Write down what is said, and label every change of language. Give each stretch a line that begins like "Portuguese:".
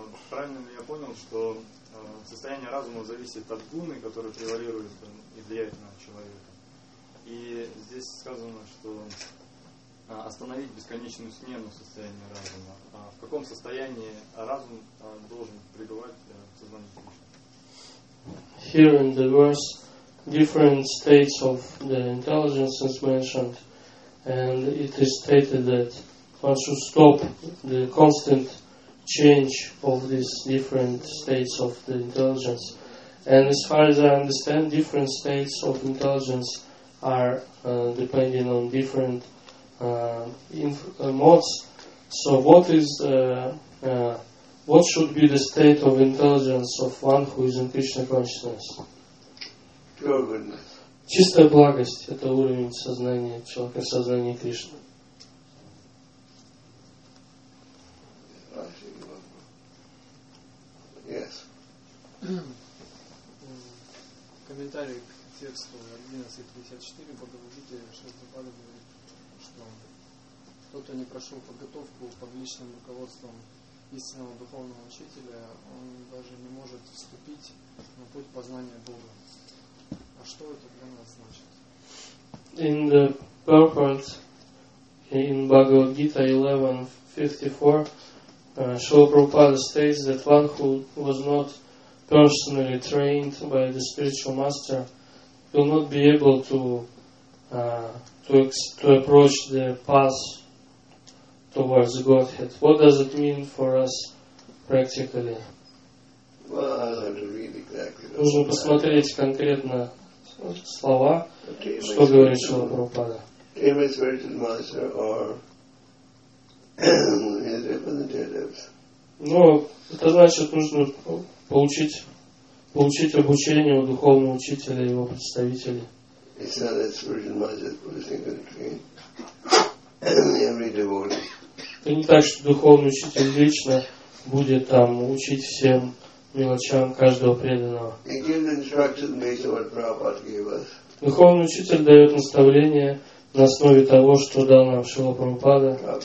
Russian: Правильно ли я понял, что состояние разума зависит от гуны, которая превалирует и влияет на человека? И здесь сказано, что остановить бесконечную смену состояния разума. В каком состоянии разум должен пребывать в сознании Кришны?
English: Here in the verse different states of the intelligence as mentioned, and it is stated that one should stop the constant change of these different states of the intelligence. And as far as I understand, different states of intelligence are depending on different modes. So what is what should be the state of intelligence of one who is in Krishna consciousness? Pure goodness.
Russian: Чистая благость – это уровень сознания человека, сознания Кришны.
English: Yes.
Russian: Комментарий к тексту 11.54 Бхагавад-гита Шрилы-Прабхупады говорит, что тот, кто не прошел подготовку под личным руководством истинного духовного учителя, он даже не может вступить на путь познания Бога. А что это для нас значит?
English: In the purport in Bhagavad-gita 11.54 Srila Prabhupada states that one who was not personally trained by the spiritual master will not be able to approach the path towards Godhead. What does it mean for us practically? Well, I don't read exactly.
Russian: Нужно посмотреть конкретно слова, что говорит Srila Prabhupada.
English: Came as spiritual master or his representatives.
Russian: Но это значит, нужно получить обучение у духовного учителя и его представителей.
English: It's not that spiritual master is going to train every devotee.
Russian: Это не так, что духовный учитель лично будет там учить всем мелочам каждого преданного.
English: He gives instructions based on what Prabhupada gave us.
Russian: Духовный учитель дает наставление на основе того, что дал нам Шрила Прабхупада.